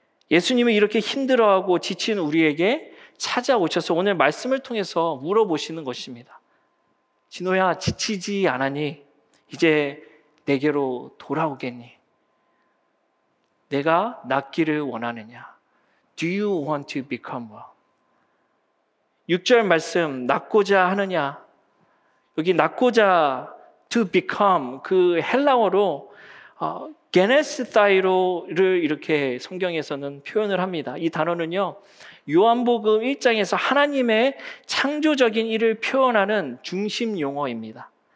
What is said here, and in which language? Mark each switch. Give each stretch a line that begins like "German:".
Korean: 예수님은 이렇게 힘들어하고 지친 우리에게 찾아오셔서 오늘 말씀을 통해서 물어보시는 것입니다. 진호야, 지치지 않았니? 이제 내게로 돌아오겠니? 내가 낫기를 원하느냐?
English: Do you want to become well?
Korean: 6절 말씀, 낫고자 하느냐? 여기 낫고자,
English: to become,
Korean: 그 헬라어로 게네스타이로를 이렇게 성경에서는 표현을 합니다. 이 단어는요, 요한복음 1장에서 하나님의 창조적인 일을 표현하는 중심 용어입니다.